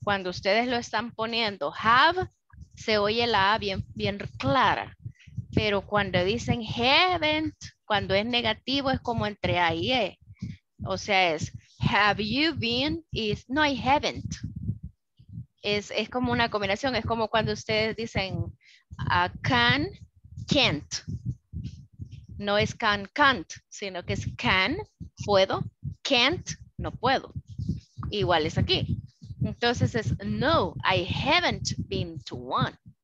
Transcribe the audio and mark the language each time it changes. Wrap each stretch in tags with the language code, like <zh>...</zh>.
<es>Cuando ustedes lo están poniendo have, se oye la A bien, bien clara. Pero cuando dicen haven't, cuando es negativo, es como entre A y E. O sea, es</es> <en>have you been, is no, I haven't.</en> <es>Es como una combinación, es como cuando ustedes dicen can, can't. No es can, can't, sino que es can, puedo, can't, no puedo. Igual es aquí. Entonces es</es> <en>no, I haven't been to one.</en>